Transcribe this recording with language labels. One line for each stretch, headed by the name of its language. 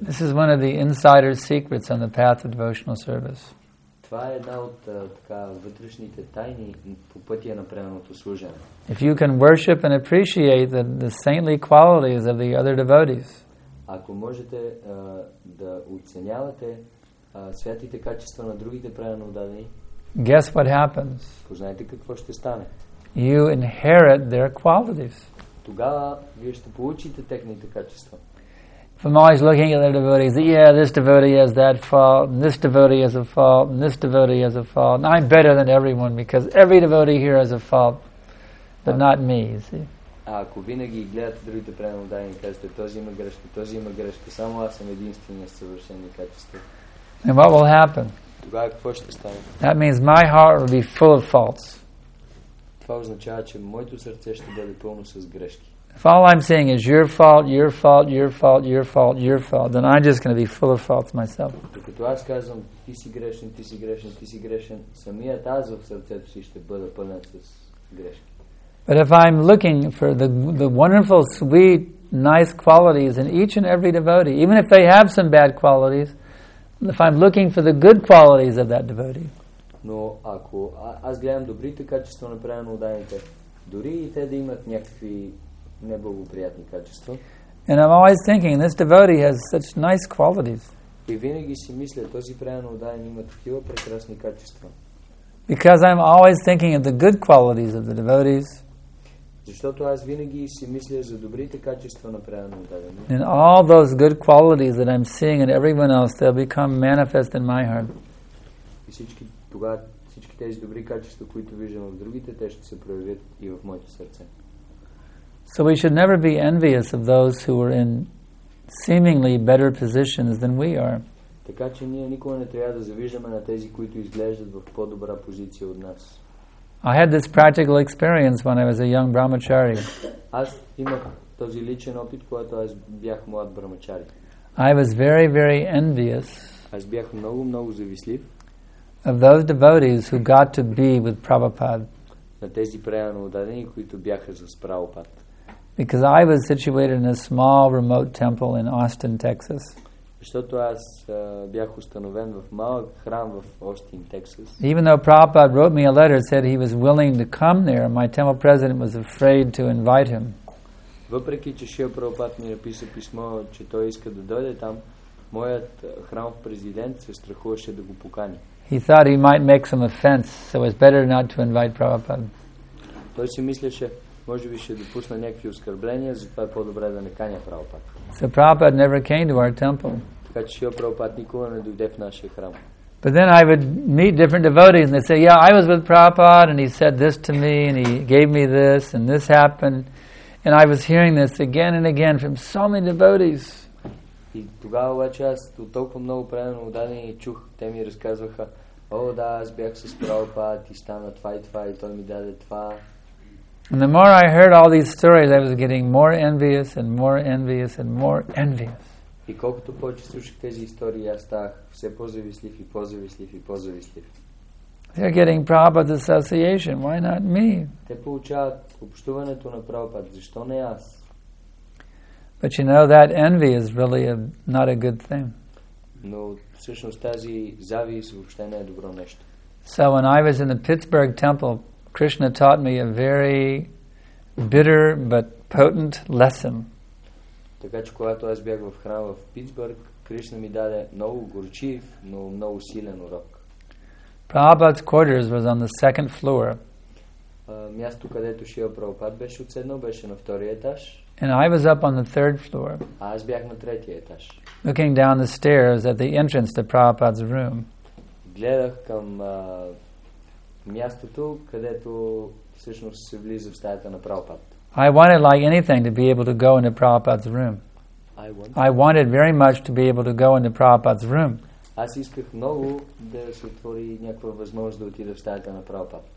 English: This is one of the insider secrets on the path of devotional service.
Bulgarian: Това е една от така вътрешните тайни по пътя на преданото служене.
English: If you can worship and appreciate the saintly qualities of the other devotees.
Bulgarian: Ако можете да оценявате святите качества на другите преданно отдадени.
English: Guess what happens?
Bulgarian: Познайте какво ще стане.
English: You inherit their qualities.
Bulgarian: Тогава вие ще получите техните качества.
English: If I'm always looking at the devotees, yeah, this devotee has that fault, and this devotee has a fault, and this devotee has a fault, and I'm better than everyone because every devotee here has a fault, but not me, you see.
Bulgarian: Ако винаги гледате другите преданно отдадени и кажете, този има грешка, само аз съм единственият съвършени качества.
English: And what will happen?
Bulgarian: Тогава какво ще стане?
English: That means my heart will be full of faults.
Bulgarian: Това означава, че моето сърце ще бъде пълно с грешки.
English: If all I'm saying is your fault, your fault, your fault, your fault, your fault, then I'm just going to be full of faults myself.
Bulgarian: Като аз казвам, ти си грешен, ти си грешен, ти си грешен, самият аз в сърцето си ще бъда пълен с грешки.
English: But if I'm looking for the wonderful, sweet, nice qualities in each and every devotee, even if they have some bad qualities, if I'm looking for the good qualities of that devotee.
Bulgarian: Но ако аз гледам добрите качества на преданно отдадените, дори и те да имат някакви неблагоприятни качества.
English: And I'm always thinking this devotee has such nice qualities.
Bulgarian: И винаги си мисля, този преданно отдаден има такива прекрасни качества.
English: Because I'm always thinking of the good qualities of the devotees.
Bulgarian: Защото аз винаги си мисля за добрите качества на преданно отдадени.
English: And all those good qualities that I'm seeing in everyone else, they'll become manifest in my heart.
Bulgarian: И всички тези добри качества, които виждам в другите, те ще се проявят и в моето сърце.
English: So we should never be envious of those who are in seemingly better positions than we are.
Bulgarian: Така че ние никога не трябва да завиждаме на тези, които изглеждат в по-добра позиция от нас.
English: I had this practical experience when I was a young brahmachari.
Bulgarian: Аз имах този личен опит, когато аз бях млад брамачари.
English: I was very, very envious.
Bulgarian: Аз бях много, много завистлив.
English: Of those devotees who got to be with Prabhupada.
Bulgarian: На тези преданно отдадени, които бяха с Прабхупад.
English: Because I was situated in a small remote temple in Austin, Texas.
Bulgarian: Защото аз бях установен в малък храм в Austin, Texas.
English: Even though Prabhupada wrote me a letter said he was willing to come there, my temple president was afraid to invite him.
Bulgarian: Въпреки че Шрила Прабхупада ми написа писмо, че той иска да дойде там, моят храмов президент се страхуваше да го покани.
English: He thought he might make some offense, so it's better not to invite Prabhupada.
Bulgarian: Той си мислеше, може би ще допусна някакви оскърбления, затова е по-добре да не каня Прабхупад.
English: So Prabhupada never came to our temple.
Bulgarian: Така че Шрила Прабхупад никога не дойде в нашия храм.
English: But then I would meet different devotees and they say, yeah, I was with Prabhupada and he said this to me and he gave me this and this happened. And I was hearing this again and again from so many devotees.
Bulgarian: И тогава обаче аз от толкова много предано отдадени чух, те ми разказваха, о да, аз бях с Прабхупад и стана това и това и той ми даде това.
English: And the more I heard all these stories, I was getting more envious and more envious and more envious.
Bulgarian: И колкото повече слушах тези истории, аз ставах все по-завислив и по-завислив и по-завислив.
English: They're getting Prabhupada's association. Why not me?
Bulgarian: Те получават общуването на Прабхупад. Защо не аз?
English: But you know, that envy is really not a good thing.
Bulgarian: Но всъщност тази завист въобще не е добро нещо.
English: So when I was in the Pittsburgh temple, Krishna taught me a very bitter but potent lesson.
Bulgarian: Така че когато аз бях в храма в Питсбърг, Кришна ми даде много горчив, но много силен урок.
English: Prabhupada's quarters was on the second floor.
Bulgarian: Място, където Шрила Прабхупад беше отседнал, беше на втория етаж.
English: And I was up on the third floor.
Bulgarian: А аз бях на третия етаж.
English: Looking down the stairs at the entrance to Prabhupada's room.
Bulgarian: Гледах към мястото, където всъщност се влиза в стаята на Прабхупад.
English: I wanted like anything to be able to go into Prabhupada's room. I wanted very much to be able to go into Prabhupada's room.
Bulgarian: Аз исках много да се отвори някаква възможност да отида в стаята на Прабхупад.